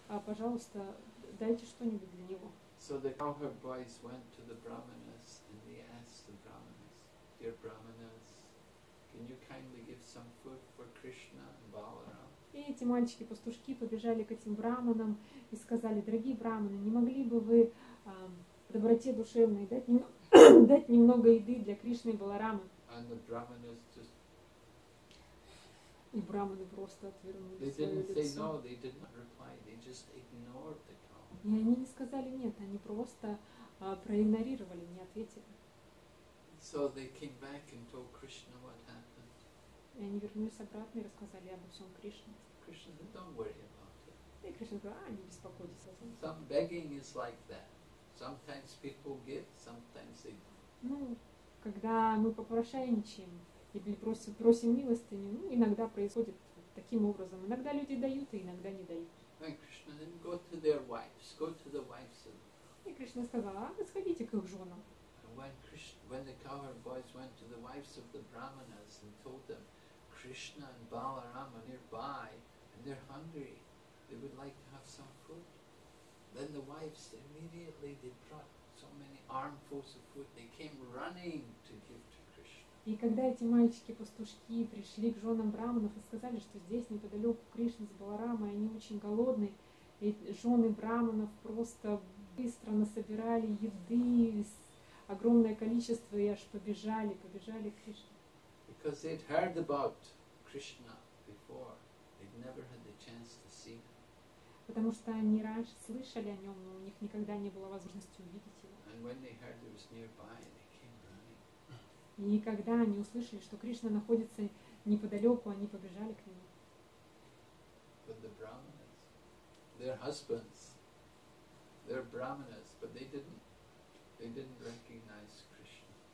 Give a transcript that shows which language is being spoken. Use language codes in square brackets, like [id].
[ru] Пожалуйста, дайте что-нибудь для него. [en] So the cowherd boys went to the brahmanas and they asked the brahmanas, dear brahmanas, can you kindly give some food for Krishna and Balaram? [ru] И эти мальчики-пастушки побежали к этим брахманам и сказали, дорогие брахманы, не могли бы вы доброте душевной дать немного еды для Кришны и Баларамы? [en] And the brahmanas just [ru] и брахманы просто отвернулись. [en] They didn't say no, they did not reply, they just ignored the cow. [ru] И они не сказали нет, они просто проигнорировали, не ответили. [en] So they came back and told Krishna what happened. [ru] И они вернулись обратно и рассказали обо всем Кришне. [en] Krishna said, don't worry about it. [ru] И Кришна сказал, не беспокойтесь о том. [en] Some begging is like that. Sometimes people give, sometimes they don't. [ru] Когда мы попрошайничаем или просим милостыню, иногда происходит таким образом. Иногда люди дают, а иногда не дают. [en] And Krishna said, go to their wives, go to the wives of them. [ru] И Кришна сказал, вы сходите к их женам. [en] And when the cowherd boys went to the wives of the brahmanas and told them, Krishna and Balaram are nearby, and they're hungry, they would like to have some food. Then the wives, immediately they brought so many armfuls of food, they came running to give to Krishna. [ru] И когда эти мальчики-пастушки пришли к женам брахманов и сказали, что здесь неподалеку Кришна с Баларамой, они очень голодны, и жены брахманов просто быстро насобирали еды, огромное количество, и аж побежали к Кришне. [en] Because they'd heard about Krishna before, they'd never had the chance to see him. [ru] Потому что они раньше слышали о нем, но у них никогда не было возможности увидеть его. [en] And when they heard he was nearby, they came running. [ru] И когда они услышали, что Кришна находится неподалеку, они побежали к нему. [en] But the brahmanas, their husbands, they're brahmanas, but they didn't recognize Krishna.